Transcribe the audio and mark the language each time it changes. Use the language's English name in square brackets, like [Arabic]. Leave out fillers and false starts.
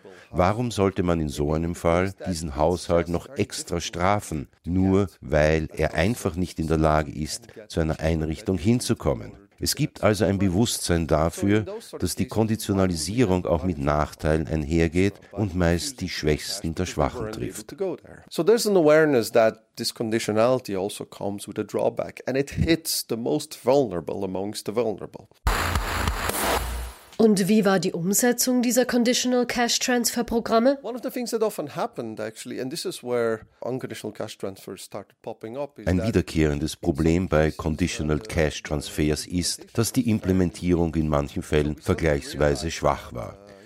[German] Warum sollte man in so einem Fall diesen Haushalt noch extra strafen, nur weil er einfach nicht in der Lage ist, zu einer Einrichtung hinzukommen? Es gibt also ein Bewusstsein dafür, dass die Konditionalisierung auch mit Nachteilen einhergeht und meist die Schwächsten der Schwachen trifft. [English] So there's an awareness that this conditionality also comes with a drawback and it hits the most vulnerable amongst the vulnerable. [German] Und wie war die Umsetzung dieser Conditional Cash Transfer Programme? Ein wiederkehrendes Problem bei Conditional Cash Transfers ist, dass die Implementierung in manchen Fällen vergleichsweise schwach war.